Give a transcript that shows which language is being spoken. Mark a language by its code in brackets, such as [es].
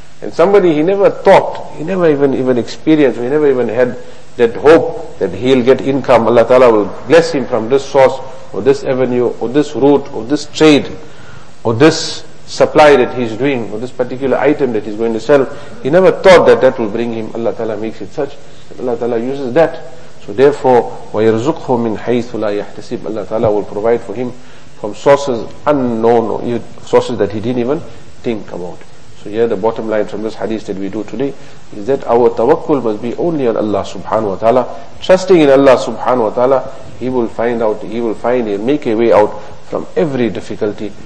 [en] And somebody he never thought, he never even experienced, he never even had that hope that he'll get income. Allah Ta'ala will bless him from this source or this avenue or this route or this trade, or this supply that he's doing, or this particular item that he's going to sell. He never thought that that will bring him. Allah Ta'ala makes it such. Allah Ta'ala uses that. So therefore, [ar] وَيَرْزُقْهُ مِنْ حَيْثُ لَا يَحْتَسِبْ. [en] Allah Ta'ala will provide for him from sources unknown, or sources that he didn't even think about. So here the bottom line from this hadith that we do today is that our tawakkul must be only on Allah Subhanahu Wa Ta'ala. Trusting in Allah Subhanahu Wa Ta'ala, he will find out, he'll make a way out from every difficulty.